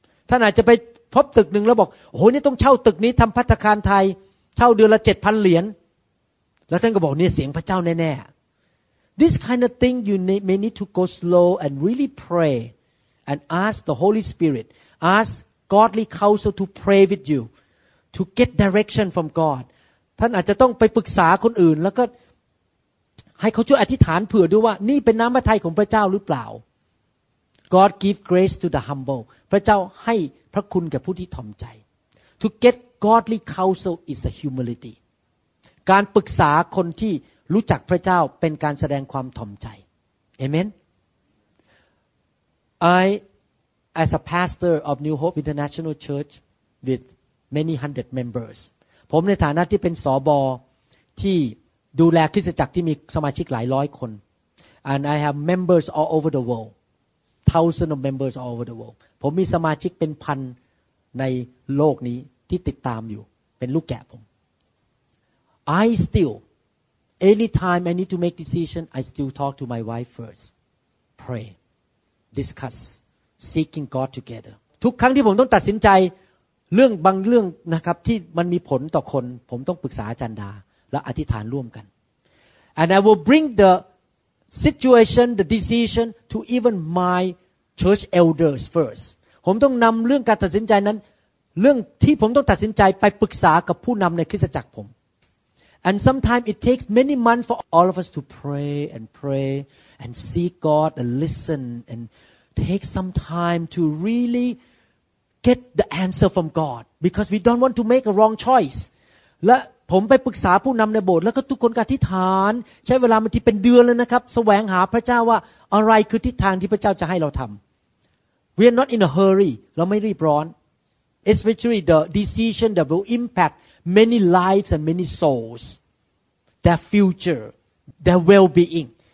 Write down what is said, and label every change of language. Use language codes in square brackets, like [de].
[th] ท่านอาจจะไปพบตึกหนึ่งแล้วบอกโอ้โหนี่ต้องเช่าตึกนี้ทำภัตตาคารไทยเช่าเดือนละ 7,000 เหรียญแล้วท่านก็บอกเนี่ยเสียงพระเจ้าแน่ [en] ๆ This kind of thing you may need to go slow and really pray and ask the Holy Spirit ask godly counsel to pray with you to get direction from God [th] ท่านอาจจะต้องไปปรึกษาคนอื่นแล้วก็ให้เขาช่วยอธิษฐานเผื่อด้วยว่านี่เป็นน้ำพระทัยของพระเจ้าหรือเปล่า [en] God give grace to the humble. [th] พระเจ้าให้พระคุณแก่ผู้ที่ถ่อมใจ [en] To get godly counsel is a humility. [th] การปรึกษาคนที่รู้จักพระเจ้าเป็นการแสดงความถ่อมใจ Amen. [en] I, as a pastor of New Hope International Church with many hundred members, [th] ผมในฐานะที่เป็นสบที่ดูแลคริสตจักรที่มีสมาชิกหลายร้อยคน [en] and I have members all over the world. Thousands of members all over the world. [th] ผมมีสมาชิกเป็นพันในโลกนี้ที่ติดตามอยู่เป็นลูกแกะผม [en] I still, anytime I need to make decision, I still talk to my wife first, pray, discuss, seeking God together. [th] ทุกครั้งที่ผมต้องตัดสินใจเรื่องบางเรื่องนะครับที่มันมีผลต่อคนผมต้องปรึกษาอาจารย์ดาและอธิษฐานร่วมกัน [en] And I will bring theSituation, the decision to even my church elders first. [th] ผมต้องนำเรื่องการตัดสินใจนั้นเรื่องที่ผมต้องตัดสินใจไปปรึกษากับผู้นำในคริสตจักรผม [en] And sometimes it takes many months for all of us to pray and seek God and listen and take some time to really get the answer from God because we don't want to make a wrong choice. [th] และผมไปปรึกษาผู้นำในโบสถ์แล้วก็ทุกคนก็อธิษฐานใช้เวลาบางทีเป็นเดือนเลยนะครับแสวงหาพระเจ้าว่าอะไรคือทิศทางที่พระเจ้าจะให้เราทำ [en] We are not in a hurry. [th] เราไม่รีบร้อน [en] Especially the decision that will impact many lives and many souls. Their future. Their well-being.